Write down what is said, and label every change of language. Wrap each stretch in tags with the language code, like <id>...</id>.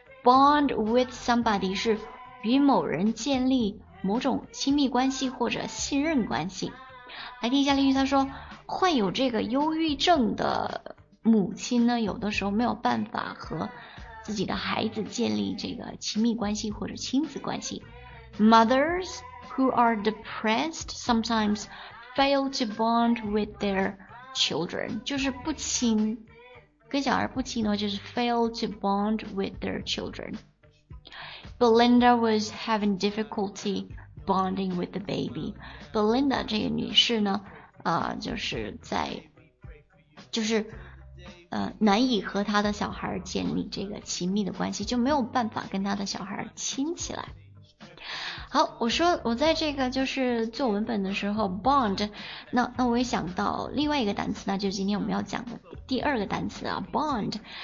<en>Bond with somebody</en> <zh>是与某人建立某种亲密关系或者信任关系。来听一下例句，他说，患有这个忧郁症的母亲呢，有的时候没有办法和自己的孩子建立这个亲密关系或者亲子关系。</zh> <en>Mothers who are depressed sometimes fail to bond with their children,</en> <zh>就是不亲，跟小孩不亲的话就是</zh> <en>fail to bond with their children. Belinda was having difficulty bonding with the baby.</en> <zh>Belinda 这个女士呢、就是难以和她的小孩建立这个亲密的关系，就没有办法跟她的小孩亲起来。好，我说我在这个就是做文本的时候 bond, 那我也想到另外一个单词，那就是今天我们要讲的第二个单词啊 ,bond。</zh>